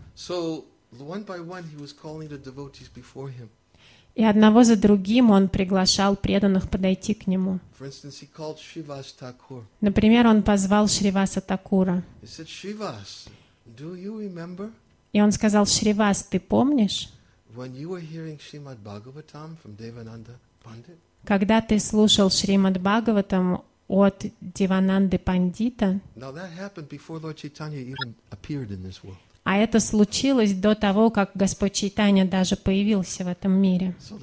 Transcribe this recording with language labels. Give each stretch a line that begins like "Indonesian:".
English: So, one by one, he was calling the devotees before him.
Russian: И одного за другим он приглашал преданных подойти к нему.
English: For instance, he called Shrivas Thakur.
Russian: Например, он позвал Шриваса Такура.
English: He said, Shrivas, do you remember?
Russian: И он сказал, Шривас, ты помнишь?
English: When you were hearing Shrimad Bhagavatam from Devananda Pandit?
Russian: Когда ты слушал Шримад Бхагаватам от Девананды Пандита?
English: Now that happened before Lord Chaitanya even appeared in this world.
Russian: А это случилось до того, как Господь Чайтанья даже появился в этом мире.